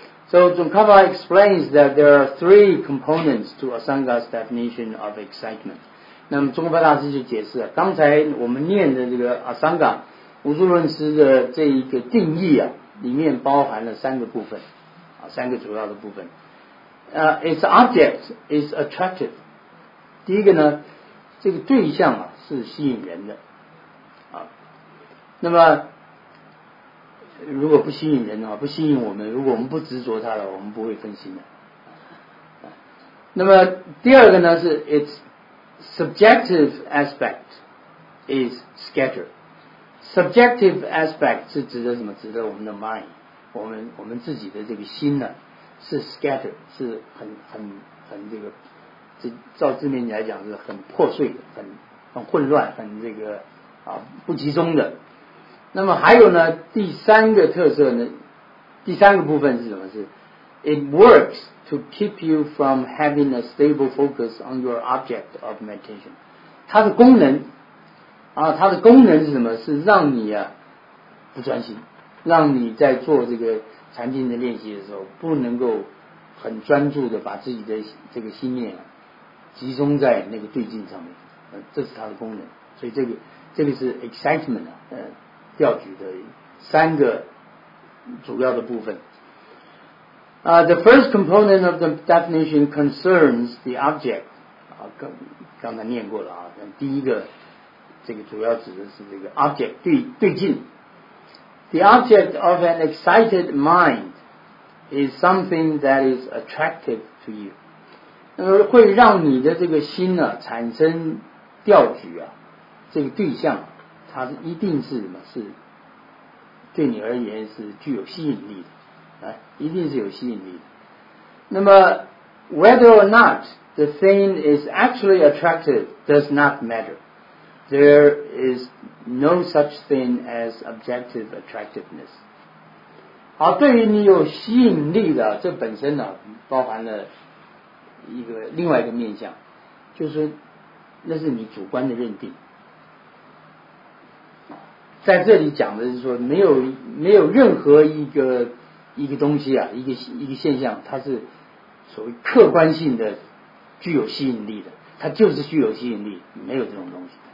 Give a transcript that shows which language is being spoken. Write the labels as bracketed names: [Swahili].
[English] So Tsongkhapa explains that there are three components to Asanga's definition of excitement. [Chinese] 那么中观大师就解释了，刚才我们念的这个 Asanga 无著论师的这一个定义啊，里面包含了三个部分啊，三个主要的部分。 [English] Its object is attractive. [Chinese] 第一个呢，这个对象啊是吸引人的啊，那么如果不吸引人的话，不吸引我们，如果我们不执着它了，我们不会分心的。那么第二个呢，是 [English] its subjective aspect is scattered。 [Chinese] subjective aspect 是指的什么？指的我们的 mind， 我们自己的这个心呢是 scattered， 是很这个，照字面来讲是很破碎的，很混乱，很这个啊不集中的。那么还有呢，第三个特色呢，第三个部分是什么？ [English] 是 It works to keep you from having a stable focus on your object of meditation. [Chinese] 它的功能啊，它的功能是什么？是让你啊不专心，让你在做这个禅定的练习的时候，不能够很专注的把自己的这个心念啊集中在那个对境上面，这是它的功能。所以这个是 excitement 啊，调举的三个主要的部分。 [English] The first component of the definition concerns the object. [Chinese] 刚才念过了啊，第一个这个主要指的是这个 object 对境。 [English] The object of an excited mind is something that is attractive to you. [Chinese] 会让你的这个心呢、啊、产生调举啊，这个对象。它是一定是什么？是对你而言是具有吸引力的，一定是有吸引力的。 [English] 那么 whether or not the thing is actually attractive does not matter. There is no such thing as objective attractiveness. [Chinese] 好，对于你有吸引力的这本身呢、啊，包含了一个另外一个面向，就是那是你主观的认定。在这里讲的是说，没有任何一个东西啊，一个现象，它是所谓客观性的具有吸引力的，它就是具有吸引力，没有这种东西。